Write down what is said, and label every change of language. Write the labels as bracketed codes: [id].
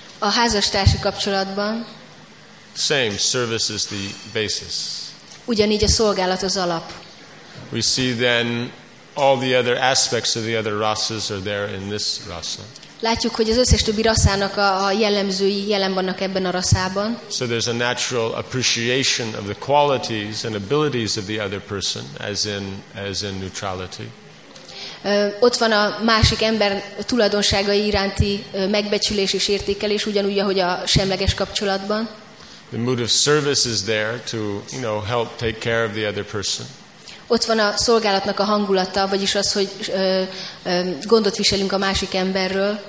[hu] A házastársi kapcsolatban. [en] Same, service is the basis. [hu] Ugyanígy a szolgálat az alap. [en] We see then all the other aspects of the other rasas are there in this rasa. [hu] Látjuk, hogy az összes többi rasszának a jellemzői jelen vannak ebben a rasszában. [en] So there's a natural appreciation of the qualities and abilities of the other person, as in neutrality. [hu] Ott van a másik ember tulajdonságai iránti megbecsülés és értékelés, ugyanúgy, ahogy a semleges kapcsolatban. [en] The mood of service is there to, you know, help take care of the other person. [hu] Ott van a szolgálatnak a hangulata, vagyis az, hogy gondot viselünk a másik emberről.